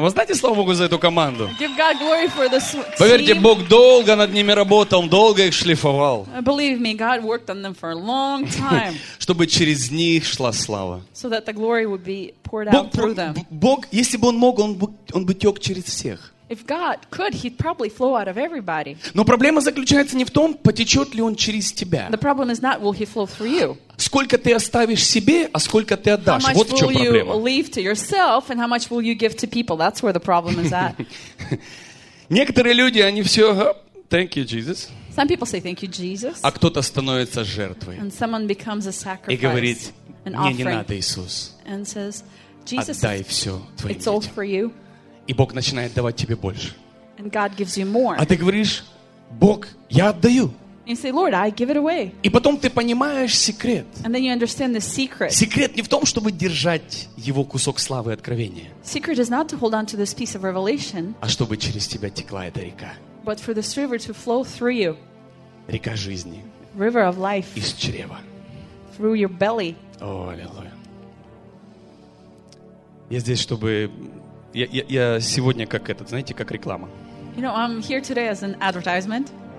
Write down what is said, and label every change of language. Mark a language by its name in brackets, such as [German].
[Russian] Воздайте славу Богу за эту команду. [English] Give God glory for this team. [Russian] Поверьте, Бог долго над ними работал, долго их шлифовал. [English] Believe me, God worked on them for a long time. [Russian] Чтобы через них шла слава. [English] So that the glory would be poured out through them. [Russian] Бог, если бы он мог, он бы тек через всех. [English] If God could, he'd probably flow out of everybody. [Russian] Но проблема заключается не в том, потечет ли он через тебя. [English] The problem is not will he flow through you. [Russian] Сколько ты оставишь себе, а сколько ты отдашь? Вот в чем проблема. [English] How much will you leave to yourself and how much will you give to people? That's where the problem is at. [Russian] Некоторые люди, они все, [English] thank you Jesus. Some people say thank you Jesus. [Russian] А кто-то становится жертвой. [English] And someone becomes a sacrifice. [Russian] И говорит, мне не надо, Иисус. [English] And says, Jesus, [Russian] отдай все твоим детям. [English] It's all for you. [Russian] И Бог начинает давать тебе больше. [English] And God gives you more. [Russian] А ты говоришь, Бог, я отдаю. [English] You say, Lord, I give it away. [Russian] И потом ты понимаешь секрет. [English] And then you understand the secret. [Russian] Секрет не в том, чтобы держать его кусок славы и откровения. [English] Secret is not to hold on to this piece of revelation. [Russian] А чтобы через тебя текла эта река. [English] But for this river to flow through you. [Russian] Река жизни. [English] River of life. [Russian] Из чрева. [English] Through your belly. [Russian] О, аллилуйя. Я здесь, чтобы... Я сегодня как этот, знаете, как реклама. [English] You know, I'm here today as an advertisement.